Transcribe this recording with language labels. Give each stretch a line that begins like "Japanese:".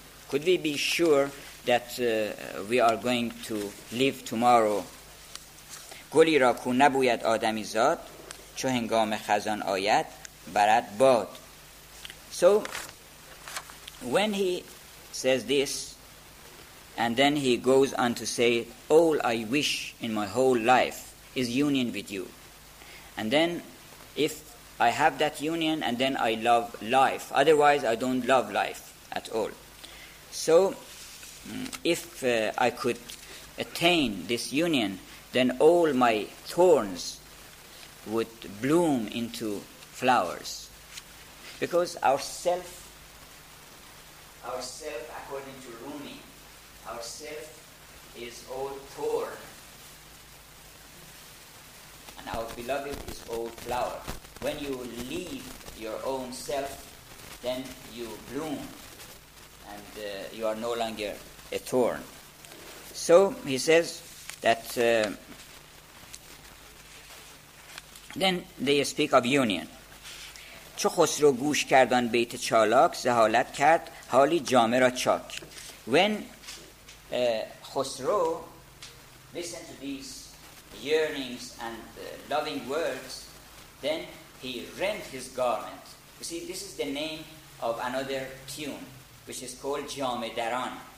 English: Could we be sure that we are going to live tomorrow?
Persian: گلی را کو نبوید آدمی زاد چو هنگام خزان آید برد باد.
English: So when he says this, and then he goes on to say, all I wish in my whole life is union with you. And then if I have that union, and then I love life. Otherwise, I don't love life at all. So if I could attain this union, then all my thorns would bloom into flowers. Because ourself, according to Rumi, ourself is all thorn, and our beloved is all flower. When you leave your own self, then you bloom, and you are no longer a thorn. So he says that then they speak of union.
Persian: چو خسرو گوش کرد آن بیت چالاک زهالت کرد حالی جامه را چاک.
English: When Khosrow listened to these yearnings and loving words, then he rent his garment. You see, this is the name of another tune, which is called Jame Daran.